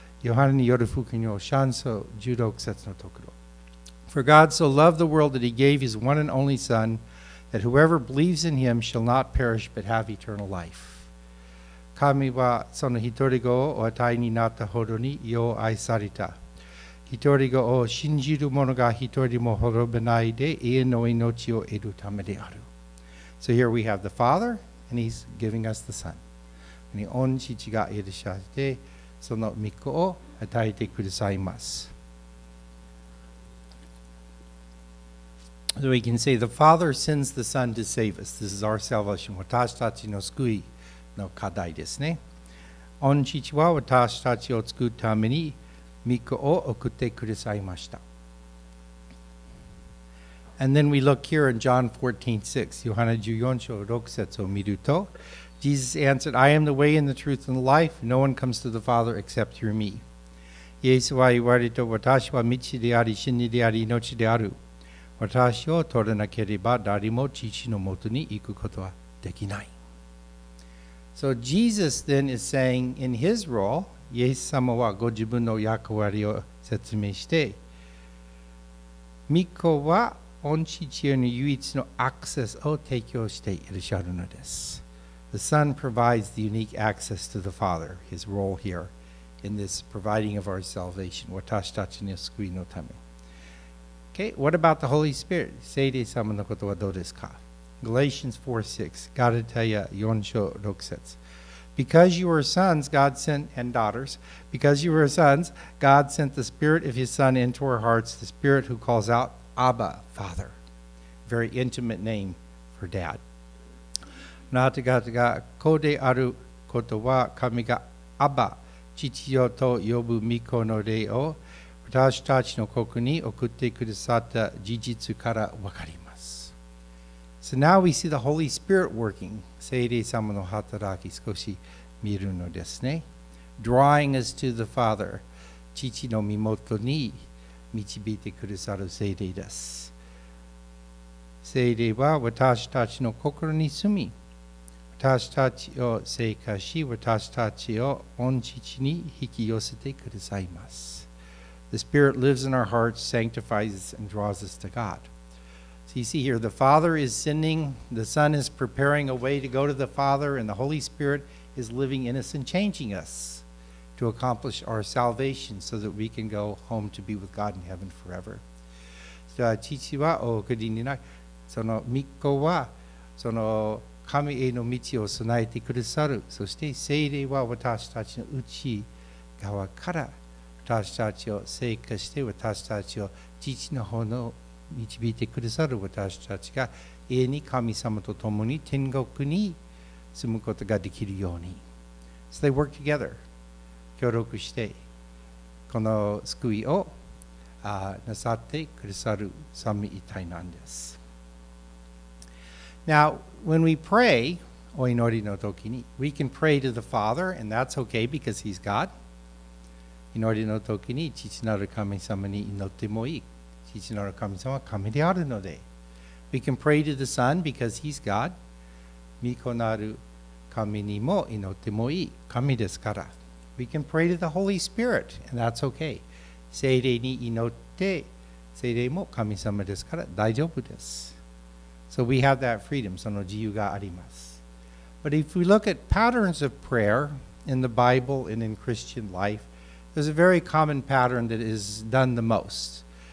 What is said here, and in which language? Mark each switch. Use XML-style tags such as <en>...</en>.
<ja>ヨハネによる福音書16節のところ。</ja> <en>For God so loved the world that he gave his one and only Son, that whoever believes in him shall not perish but have eternal life.</en> <ja>神はその一人子を与えになったほどに世を愛された。一人子を信じる者が一人も滅びないで永遠の命を得るためである。</ja> <en>So here we have the Father, and he's giving us the Son.</en> <ja>に御父がいらっしゃって、その御子を与えてくださいます。</ja> <en>So we can say the Father sends the Son to save us. This is our salvation.</en> <ja>私たちの救いの課題ですね。御父は私たちを救うために御子を送ってくださいました。</ja> <en>And then we look here in John 14:6.</en> <ja>ヨハネ14章6節を見ると、</ja> <en>Jesus answered, I am the way and the truth and the life. No one comes to the Father except through me.</en> <ja>イエスは言われた、私は道であり、真理であり、命である。私を取らなければ、誰も父のもとに行くことはできない。</ja> <en>So Jesus then is saying in his role,</en> <ja>イエス様はご自分の役割を説明して、御子は御父への唯一のアクセスを提供していらっしゃるのです。</ja> <en>The Son provides the unique access to the Father, his role here in this providing of our salvation.</en> <ja>私たちの救いのため。</ja> <en>Okay, what about the Holy Spirit?</en> <ja>聖霊様のことはどうですか?</ja> <en>Galatians 4:6,</en> <ja>Galatia 4章6節。</ja> <en>Because you are sons, God sent, and daughters, because you are sons, God sent the Spirit of his Son into our hearts, the Spirit who calls out, Abba, Father. Very intimate name for dad.</en> <ja>あなた方が子であることは神がアバ父よと呼ぶ御子の霊を私たちの国に送ってくださった事実からわかります。</ja> <en>So now we see the Holy Spirit working.</en> <ja>聖霊様の働き少し見るのですね。</ja> <en>Drawing us to the Father.</en> <ja>父の身元に導いてくださる聖霊です。聖霊は私たちの心に住み私たちを生かし、私たちを御父に引き寄せてくださいます。</ja> <en>The Spirit lives in our hearts, sanctifies us, and draws us to God. So you see here, the Father is sending, the Son is preparing a way to go to the Father, and the Holy Spirit is living in us and changing us to accomplish our salvation so that we can go home to be with God in heaven forever.</en> <ja>So, 父はお送りになる、その御子は、その神への道を備えてくださる。そして聖霊は私たちの内側から私たちを生かして私たちを父の方の導いてくださる。私たちが永遠に神様と共に天国に住むことができるように。</ja> <en>So they work together.</en> <ja>協力してこの救いをなさってくださる三位一体なんです。</ja> <en>Now, when we pray,</en> <ja>お祈りの時に、</ja> <en>we can pray to the Father, and that's okay because He's God.</en> <ja>祈りの時に、父なる神様に祈ってもいい。父なる神様は神であるので。</ja> <en>We can pray to the Son because He's God.</en> <ja>御子なる神にも祈ってもいい。神ですから。</ja> <en>We can pray to the Holy Spirit, and that's okay.</en> <ja>聖霊に祈って、聖霊も神様ですから大丈夫です。</ja> <en>So we have that freedom,</en> <ja>その自由があります。</ja> <en>But if we look at patterns of prayer in the Bible and in Christian life, there's a very common pattern that is done the most.</en>